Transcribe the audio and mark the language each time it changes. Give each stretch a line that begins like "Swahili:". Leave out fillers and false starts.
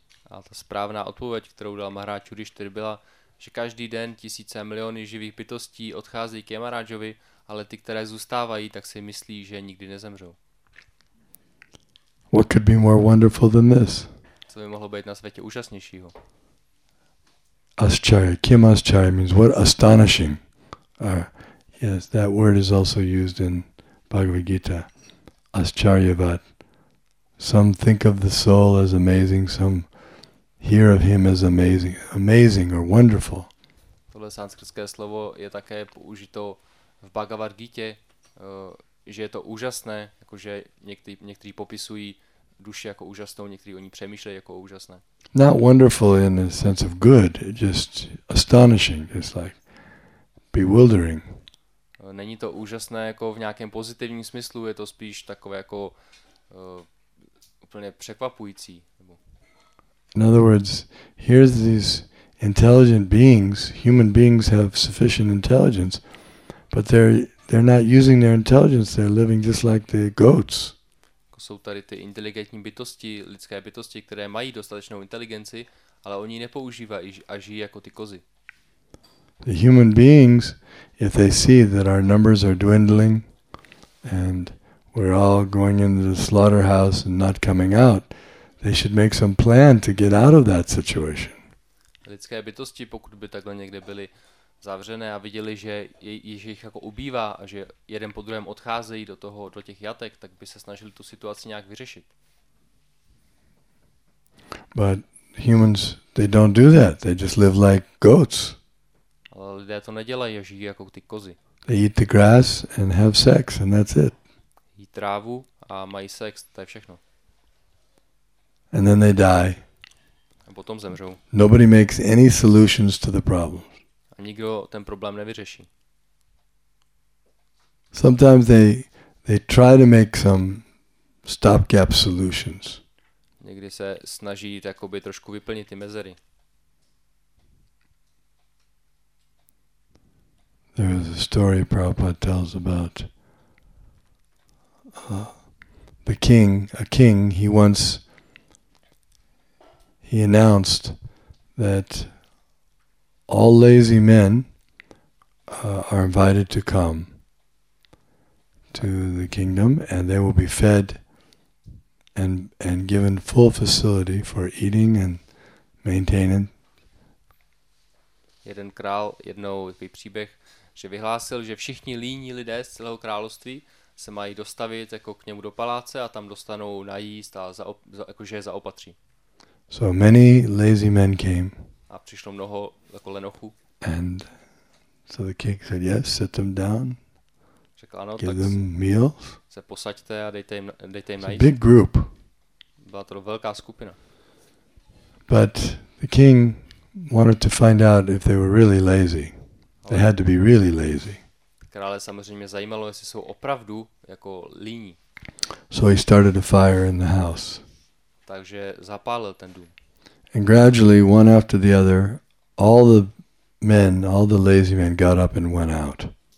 Czech: A ta správná odpověď, kterou dal Maharaj Yudhishthir, byla, že každý den tisíce miliony živých bytostí odchází k Yamarajovi, ale ty, které zůstávají, tak si myslí, že nikdy nezemřou.
English: What could be more wonderful than this?
Czech: Co by mohlo být na světě úžasnějšího?
Sanskrit: Aschaya. Kim aschaya
English: means what astonishing. Yes, that word is also used in Bhagavad Gita. Ascharyavat. Some think of the soul as amazing, some hear of him as amazing or wonderful.
Czech: Tohle sanskritské slovo je také použito v Bhagavad Gita, že je to úžasné, jakože někteří popisují duši jako úžasnou, někteří o ní přemýšlejí jako úžasné.
English: Not wonderful in the sense of good, just astonishing, just like bewildering.
Czech: Není to úžasné jako v nějakém pozitivním smyslu, je to spíš takové jako úplně překvapující.
English: In other words, here's these intelligent beings, human beings have sufficient intelligence, but they're not using their intelligence, they're living just like the goats.
Czech: Jsou tady ty inteligentní bytosti, lidské bytosti, které mají dostatečnou inteligenci, ale oni nepoužívají a žijí jako ty kozy.
English: The human beings, if they see that our numbers are dwindling and we're all going into the slaughterhouse and not coming out, they should make some plan to get out of that situation.
Czech: Lidské bytosti, pokud by takhle někde byly zavřené a viděli, že jejich jako ubývá a že jeden po druhém odcházejí do toho, do těch jatek, tak by se snažili tu situaci nějak vyřešit.
English: But humans, they don't do that. They just live like goats.
Czech: Ale lidé to nedělají, žijí jako ty kozy.
English: They eat the grass and have sex and that's it.
Czech: Jí trávu a mají sex, to je všechno.
English: And then they die.
Czech: A potom zemřou.
English: Nobody makes any solutions to the problem.
Czech: A nikdo ten problém nevyřeší.
English: Sometimes they try to make some stopgap solutions.
Czech: Někdy se snaží jakoby trošku vyplnit ty mezery.
English: There is a story Prabhupada tells about a king, he announced that all lazy men are invited to come to the kingdom and they will be fed and given full facility for eating and maintaining.
Czech: Jeden král jednou takový příběh, že vyhlásil, že všichni líní lidé z celého království se mají dostavit jako k němu do paláce a tam dostanou najíst a jakože zaopatří.
English: So many lazy men came.
Czech: A přišlo mnoho jako lenochů.
English: And so the king said, yes, sit them down.
Czech: Řekl, ano,
English: give them meals.
Czech: Se posaďte a dejte jim najíst.
English: A big group.
Czech: Byla to velká skupina.
English: But the king wanted to find out if they were really lazy. They had to be really lazy.
Czech: krále samozřejmě zajímalo, jestli jsou opravdu jako líní.
English: So he started a fire in the house. Takže zapálil ten dům. And gradually, one after the other, all the men, all the lazy men got up and went out.